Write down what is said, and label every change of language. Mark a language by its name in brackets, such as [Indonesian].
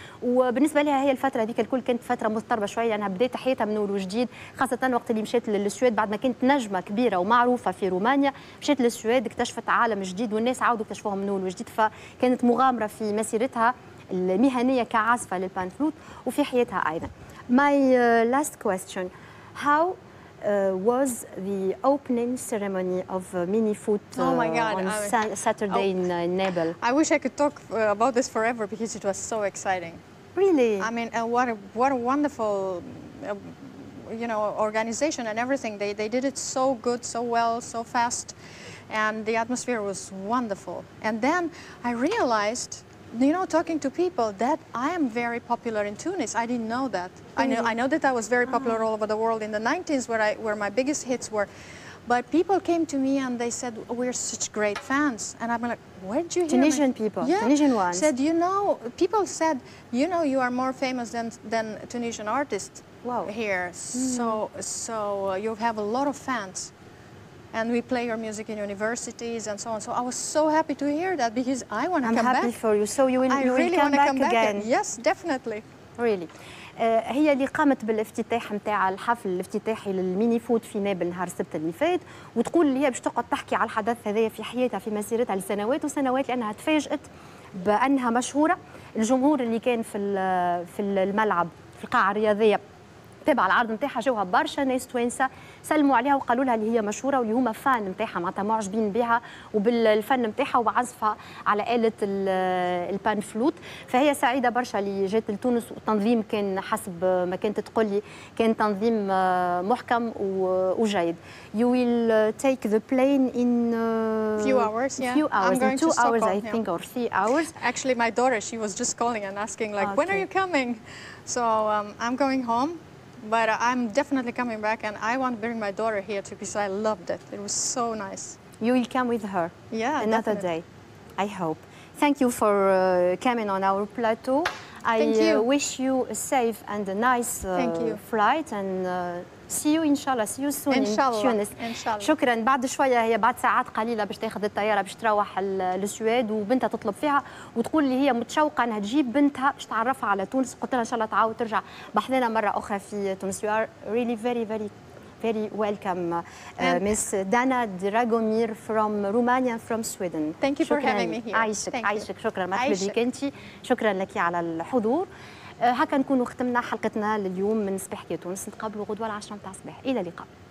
[Arabic] وبالنسبة لها هي الفترة هذيك الكل كانت فترة مضطربة شوية لأنها يعني بدأت حياتها من أول وجديد خاصة وقت اللي مشيت للسويد بعد ما كانت نجمة كبيرة ومعروفة في رومانيا مشيت للسويد اكتشفت عالم جديد والناس عاودوا اكتشفوها من أول وجديد فكانت مغامرة في مسيرتها المهنية كعازفة للبانفلوت وفي حياتها أيضا. [English] My last question, how was the opening ceremony of Mini Foot Saturday in Nebel? I wish I could talk about this forever because it was so exciting. Really? I mean, what a wonderful, you know, organization and everything. They did it so good, so well, so fast, and the atmosphere was wonderful. And then I realized, you know, talking to people, that I am very popular in Tunis. I didn't know that. Mm-hmm. I know that I was very popular all over the world in the 90s, where my biggest hits were. But people came to me and they said, we're such great fans. And I'm like, where did you hear Tunisian me? People, yeah. Tunisian ones. Said, you know, people said, you know, you are more famous than Tunisian artists here. Mm-hmm. So you have a lot of fans. And we play your music in universities and so on. So I was so happy to hear that because I want to come back. I'm happy for you. So you will really come back come again. Back. Yes, definitely. Really. [Arabic] هي اللي قامت بالافتتاح نتاع الحفل الافتتاحي للميني فوت في نابل نهار السبت اللي فات وتقول اللي هي باش تقعد تحكي على الحدث هذايا في حياتها في مسيرتها لسنوات وسنوات لانها تفاجأت بانها مشهوره الجمهور اللي كان في الملعب في القاعه الرياضيه تابع العرض نتاعها جاوها برشا ناس توانسه سلموا عليها وقالوا لها اللي هي مشهوره واللي هما فان نتاعها معناتها معجبين بها وبالفن نتاعها وبعزفها على اله البان فلوت فهي سعيده برشا اللي جات لتونس والتنظيم كان حسب ما كانت تقول لي كان تنظيم محكم وجيد. [English] You will take the plane in few hours, yeah. Few hours. I'm going two to Stockholm, hours, I yeah. think, or 3 hours. Actually, my daughter, she was just calling and asking, like, okay. When are you coming? So I'm going home. But I'm definitely coming back and I want to bring my daughter here too because I loved it. It was so nice. You will come with her. Yeah, another definitely. Day. I hope. Thank you for coming on our plateau. Thank you. Wish you a safe and a nice flight and see you inshallah. See you soon inshallah. In Tunis. Inshallah. [Arabic] شكرا. بعد شويه هي بعد ساعات قليله باش تاخذ الطياره باش تروح للسويد وبنتها تطلب فيها وتقول لي هي متشوقه انها تجيب بنتها باش تعرفها على تونس قلت لها ان شاء الله تعاود ترجع بحضنا مره اخرى في تونس. [English] You are really very very very welcome Miss Dana Dragomir from Romania from Sweden. Thank you for having me here. [Arabic] عايشك شكرا مرحبا بك انت شكرا لك على الحضور. هكا نكون ختمنا حلقتنا لليوم من صباح كي تونس نتقابلوا غدوه 10 نتاع الصباح الى اللقاء.